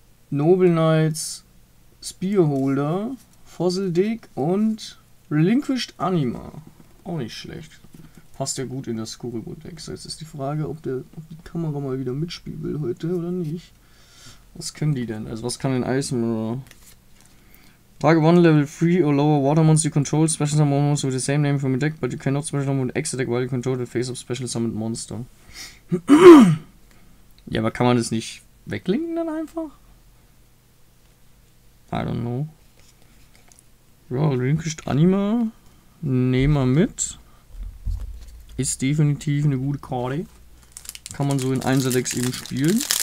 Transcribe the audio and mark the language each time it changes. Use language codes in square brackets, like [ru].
[de] Noble Knights, Spearholder, Fossil Dig und Relinquished Anima. Auch nicht schlecht. Passt ja gut in das Skurribo-Deck. Jetzt ist die Frage, ob die Kamera mal wieder mitspielen will heute oder nicht. Was können die denn? Also was kann denn Ice Mirror? [en] Target 1 Level 3 or lower Water Monster you control, Special Summon Monster with the same name from your deck, but you cannot Special Summon extra deck while you control the face of Special Summoned Monster. [de] Ja, aber kann man das nicht weglinken dann einfach? [en] I don't know. Ja, Relinquished Anima. [de] Nehmen wir mit. Ist definitiv eine gute Karte. Kann man so in Einser-Decks eben spielen.